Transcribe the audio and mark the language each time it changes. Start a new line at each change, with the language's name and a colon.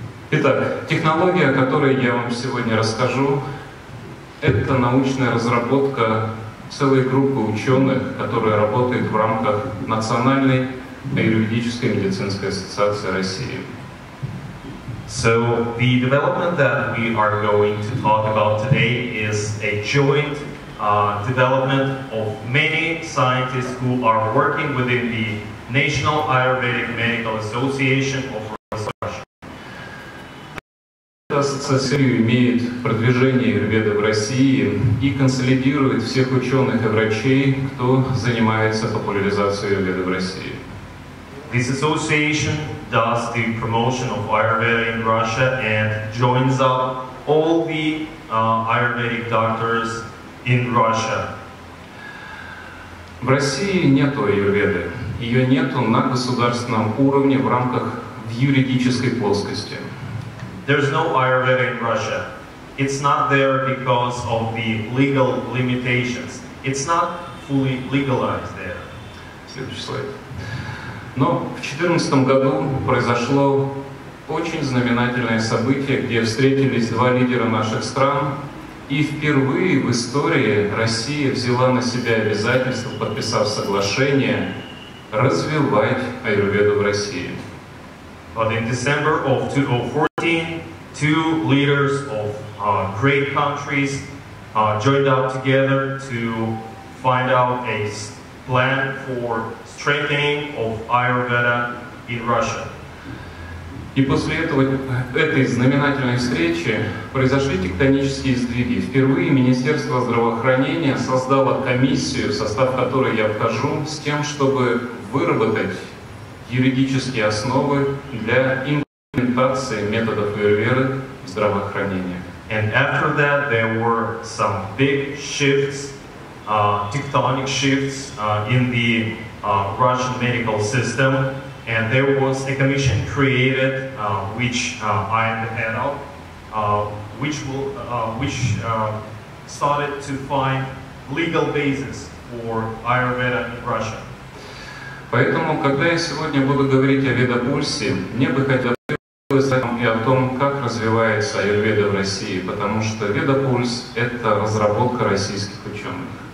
Russian: Итак, технология, о которой я вам сегодня расскажу, это научная разработка целой группы ученых, которая работает в рамках Национальной аюрведической медицинской ассоциации России.
English: So the development that we are going to talk about today is a joint development of many scientists who are working within the National Ayurvedic Medical Association of Russia.
Russian: Ассоциация имеет продвижение аюрведы в России и консолидирует всех ученых и врачей, кто занимается популяризацией аюрведы в России.
English: This association does the promotion of Ayurveda in Russia and joins up all the Ayurvedic doctors in Russia.
Russian: В России нету аюрведы. Ее нету на государственном уровне в рамках юридической плоскости.
English: There's no Ayurveda in Russia. It's not there because of the legal limitations. It's not fully legalized there.
Russian: Следующий слайд. Но в 2014 году произошло очень знаменательное событие, где встретились два лидера наших стран, и впервые в истории Россия взяла на себя обязательство, подписав соглашение, развивать аюрведу в России.
English: But in December of 2014, two leaders of great countries joined up together to find out a plan for strengthening of Ayurveda in Russia.
Russian: И после этого, этой знаменательной встречи произошли тектонические сдвиги. Впервые Министерство здравоохранения создало комиссию, в состав которой я вхожу, с тем, чтобы выработать юридические основы для имплементации методов Ayurveda в здравоохранении.
English: And after that, there were some big shifts, tectonic shifts in the Russian medical system. And there was a commission created, which I am the head of, which started to find legal basis for Ayurveda in Russia.
Russian: Поэтому, когда я сегодня буду говорить о ведопульсе, мне бы хотелось и о том, как развивается Аюрведа в России, потому что ведопульс — это разработка российских ученых.